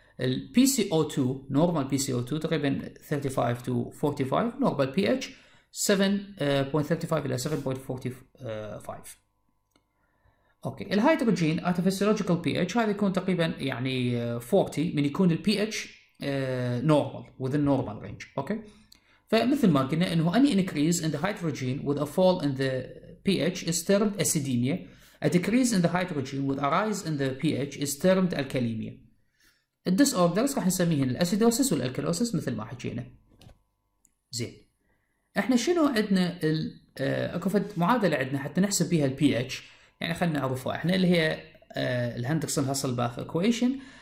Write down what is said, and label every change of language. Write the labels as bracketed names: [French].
[English] البي C O 2 normal, P C O 2 تقريبا 35 to 45، normal P H 7.35 الى 7.45. [Arabic] اوكي، الهيدروجين ارتفيسيولوجيكال بي اتش هذا يكون تقريبا يعني 40 من يكون البي اتش نورمال، [English] within normal range. [Arabic] اوكي، فمثل ما قلنا انه [English] any increase in the hydrogen with a fall in the pH is termed acidemia. A decrease in the hydrogen with a rise in the pH is termed alkalemia. [Arabic] الديسوردرز راح نسميهن الاسيدوسيس والالكالوسيس مثل ما حكينا. زين، احنا شنو عندنا؟ اكو فد معادله عندنا حتى نحسب بيها pH، يعني خلينا نعرفها احنا، اللي هي الهندرسون هاسلباخ اكويشن.